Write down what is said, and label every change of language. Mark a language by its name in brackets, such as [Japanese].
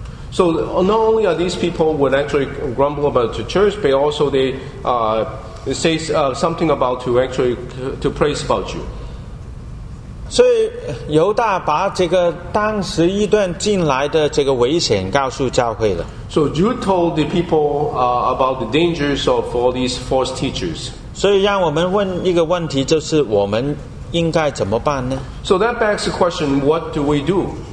[English] So not only are these people would actually grumble about the church, but also they say something about to praise about you. [Chinese] 所以犹大把这个当时异端进来的这个危险告诉教会了。 [English] So you told the people about the dangers of all these false teachers. [Chinese] 所以让我们问一个问题，就是我们应该怎么办呢？ [English] So that begs the question, what do we do?